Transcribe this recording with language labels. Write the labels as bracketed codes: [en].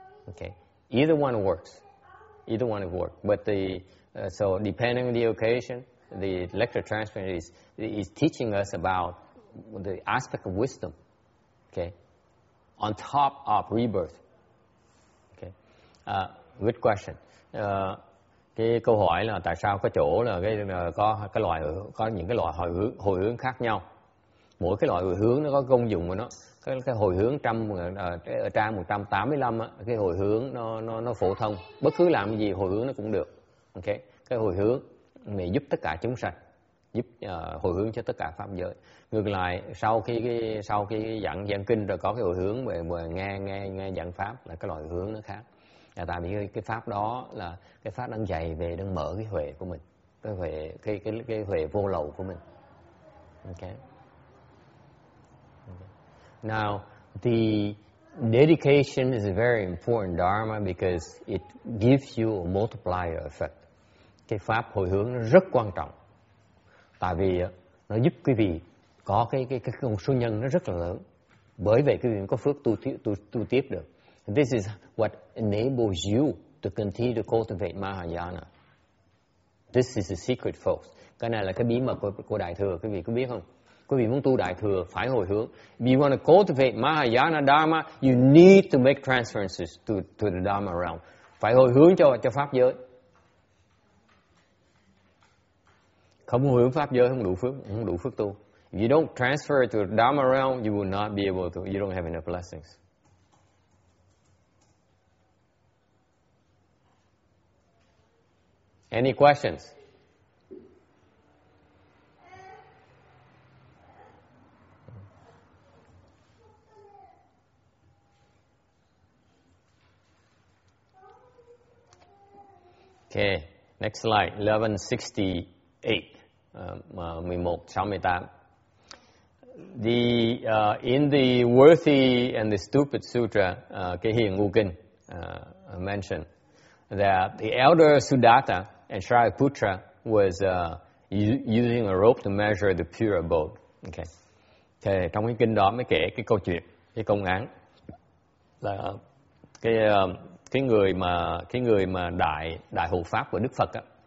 [en] Okay, either one works. But so depending on the occasion, the lecture transference is teaching us about the aspect of wisdom, okay, on top of rebirth. Okay, good question. [vi] Cái câu hỏi là tại sao có chỗ là cái loại có những cái loại hồi hướng khác nhau. Mỗi cái loại hồi hướng nó có công dụng của nó. Cái hồi hướng trang 185 á, cái hồi hướng nó phổ thông, bất cứ làm gì hồi hướng nó cũng được. Okay, cái hồi hướng này giúp tất cả chúng sanh, giúp hồi hướng cho tất cả pháp giới. Ngược lại, sau khi giảng kinh rồi có cái hồi hướng về nghe giảng pháp là cái loại hướng nó khác. Là tại vì cái pháp đó là cái pháp đang dạy về đang mở cái huệ của mình, cái huệ vô lậu của mình. [en] Okay. Now the dedication is a very important dharma because it gives you a multiplier effect. [vi] Cái pháp hồi hướng nó rất quan trọng. Tại vì nó giúp quý vị có cái công số nhân nó rất là lớn. Bởi vậy quý vị có phước tu tiếp được. [en] This is what enables you to continue to cultivate Mahayana. This is the secret, folks. [vi] Cái này là cái bí mật của Đại Thừa, quý vị có biết không? Quý vị muốn tu Đại Thừa phải hồi hướng. [en] If you want to cultivate Mahayana Dharma, you need to make transferences to the Dharma realm. [vi] phải hồi hướng cho pháp giới. Không hồi hướng pháp giới không đủ phước tu. [en] If you don't transfer to the Dharma realm, you will not be able to, you don't have enough blessings. Any questions? Okay, next slide, 1168. In the Worthy and the Stupid Sutra, [vi] Cái Hiền Ngu Kinh [en] mentioned that the elder Siddhartha and Shariputra was using a rope to measure the pure abode. Okay. Thì trong cái kinh đó mới kể cái câu chuyện, cái công án là cái người mà đại hộ pháp của Đức Phật á.